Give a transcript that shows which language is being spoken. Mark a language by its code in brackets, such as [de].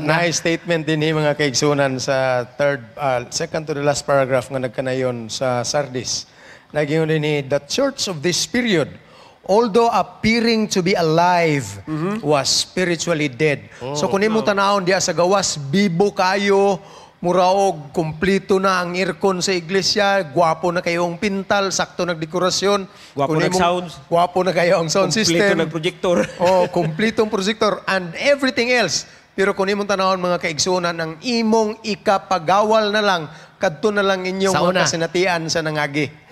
[en] Nice statement [ceb] din ni mga kaigsunan sa [en] second to the last paragraph [ceb] nga nagkanayon sa Sardis. Nagingon ni [en] the church of this period, although appearing to be alive, was spiritually dead. [ceb] Oh, so kun imo tanawon diya sa gawas, bibo kayo, muraog, kumplito na ang aircon sa iglesia, guwapo na kayo ang pintal, sakto nagdekorasyon. Guwapo na sound. Guwapo na kayo ang sound kumplito system. Kumplito na projector. Oh, kumplito ang projector [en] and everything else. [ceb] Pero kung imong tanawon mga kaigsunan, ang imong ikapagawal na lang, kadto na lang inyong mga kasinatian sa nangagi.